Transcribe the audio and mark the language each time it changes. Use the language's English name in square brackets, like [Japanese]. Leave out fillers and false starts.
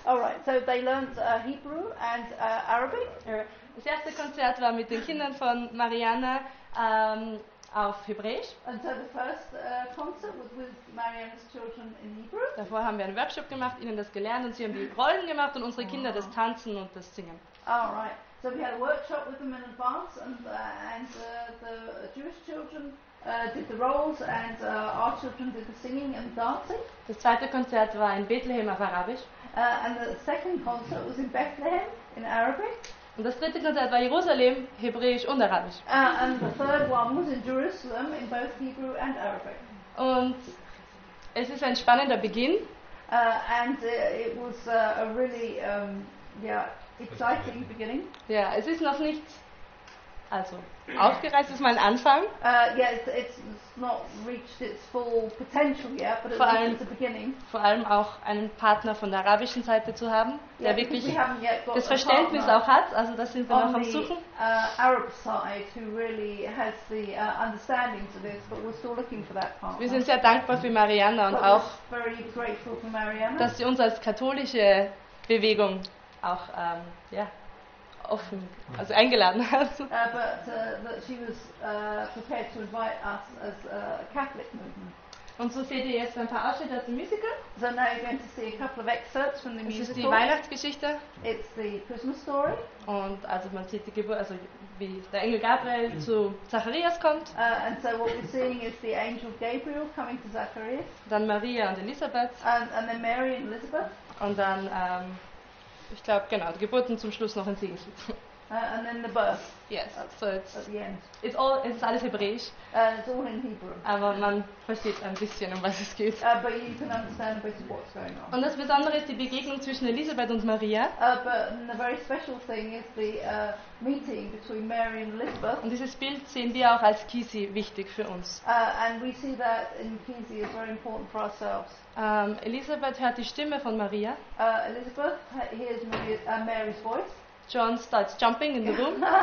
[English] All right, so they learned Hebrew and Arabic. [German] Das erste Konzert war mit den Kindern von Mariana. Auf Hebräisch. [English] And so the first concert was with Mariana's children in Hebrew. [German] Davor haben wir einen Workshop gemacht, ihnen das gelernt und sie haben die Rollen gemacht und unsere Kinder das Tanzen und das Singen. [English] All right. So we had a workshop with them in advance and the Jewish children did the roles and our children did the singing and dancing. [German] Das zweite Konzert war in Bethlehem auf Arabisch. [English] And the second concert was in Bethlehem in Arabic. [German] Und das dritte Konzert war Jerusalem, Hebräisch und Arabisch. [English] And the third one was in Jerusalem, in both Hebrew and Arabic. [German] Und es ist ein spannender Beginn. [English] It was a really, exciting beginning. [German] Ja, es ist noch nicht, also, aufgereizt ist mein Anfang. [English] It's not reached its full potential yet, but it's at the beginning. [German] Vor allem auch einen Partner von der arabischen Seite zu haben, der wirklich das Verständnis auch hat, also das sind wir noch am Suchen. [English] Arab side who really has the understanding to this, but we're still looking for that partner. [German] Wir sind sehr dankbar für Mariana und auch, [English] very grateful for Mariana, [German] dass sie uns als katholische Bewegung auch, offen, also eingeladen hat. [English] But that she was prepared to invite us as a Catholic movement. [German] Und so seht ihr jetzt ein paar Ausschnitte aus dem Musical. [English] So now you're going to see a couple of excerpts from the es musical. [German] Es ist die Weihnachtsgeschichte. [English] It's the Christmas story. [German] Und also man sieht die Geburt, also wie der Engel Gabriel zu Zacharias kommt. [English] And so what we're seeing is the angel Gabriel coming to Zacharias. [German] Dann Maria und Elisabeth. [English] And then Mary and Elizabeth. [German] Und dann, ich glaube, genau, die Geburten zum Schluss noch ein Segenslied. [English] And then the birth. Yes. So it's at the end. It's all. It's [German] alles Hebräisch. [English] It's all in Hebrew. [German] Aber man versteht ein bisschen, um was es geht. [English] But you can understand a bit of what's going on. [German] Und das Besondere ist die Begegnung zwischen Elisabeth und Maria. [English] But the very special thing is the meeting between Mary and Elizabeth. [German] Und dieses Bild sehen wir auch als Kisi wichtig für uns. [English] And we see that in Kisi is very important for ourselves. [German] Elisabeth hört die Stimme von Maria. [English] Elizabeth hears Mary's voice. John starts jumping in the room.